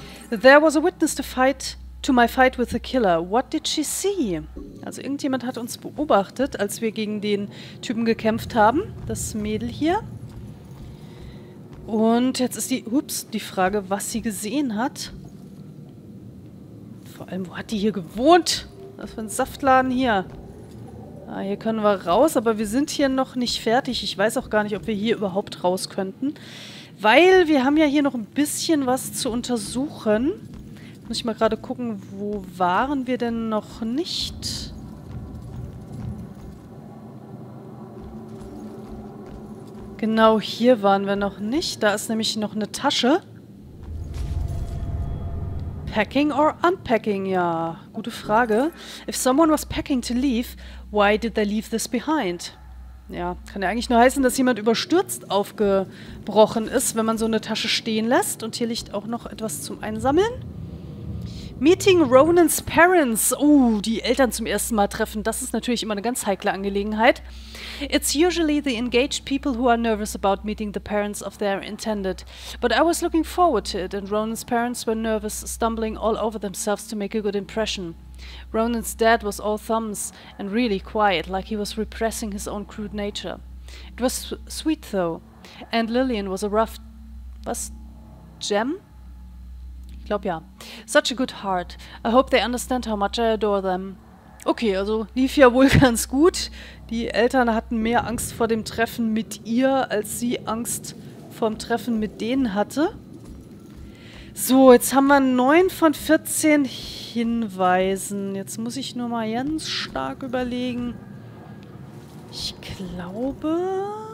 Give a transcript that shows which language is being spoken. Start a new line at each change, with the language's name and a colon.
English: There was a witness to my fight with the killer. What did she see?
German: Also irgendjemand hat uns beobachtet, als wir gegen den Typen gekämpft haben. Das Mädel hier. Und jetzt ist die Frage, was sie gesehen hat. Vor allem, wo hat die hier gewohnt? Was für ein Saftladen hier. Ah, hier können wir raus, aber wir sind hier noch nicht fertig. Ich weiß auch gar nicht, ob wir hier überhaupt raus könnten. Weil wir haben ja hier noch ein bisschen was zu untersuchen. Muss ich mal gerade gucken, wo waren wir denn noch nicht? Genau hier waren wir noch nicht. Da ist nämlich noch eine Tasche.
English: Packing or unpacking, ja.
German: Gute Frage.
English: If someone was packing to leave, why did they leave this behind?
German: Ja, kann ja eigentlich nur heißen, dass jemand überstürzt aufgebrochen ist, wenn man so eine Tasche stehen lässt. Und hier liegt auch noch etwas zum Einsammeln.
English: Meeting Ronans Parents.
German: Die Eltern zum ersten Mal treffen. Das ist natürlich immer eine ganz heikle Angelegenheit.
English: It's usually the engaged people who are nervous about meeting the parents of their intended. But I was looking forward to it and Ronan's parents were nervous, stumbling all over themselves to make a good impression. Ronan's dad was all thumbs and really quiet, like he was repressing his own crude nature. It was sweet though. And Lillian was a rough... Was? Gem?
German: Ich glaube ja.
English: Such a good heart. I hope they understand how much I adore them.
German: Okay, also lief ja wohl ganz gut. Die Eltern hatten mehr Angst vor dem Treffen mit ihr, als sie Angst vorm Treffen mit denen hatte. So, jetzt haben wir 9 von 14 Hinweisen. Jetzt muss ich nur mal ganz stark überlegen. Ich glaube...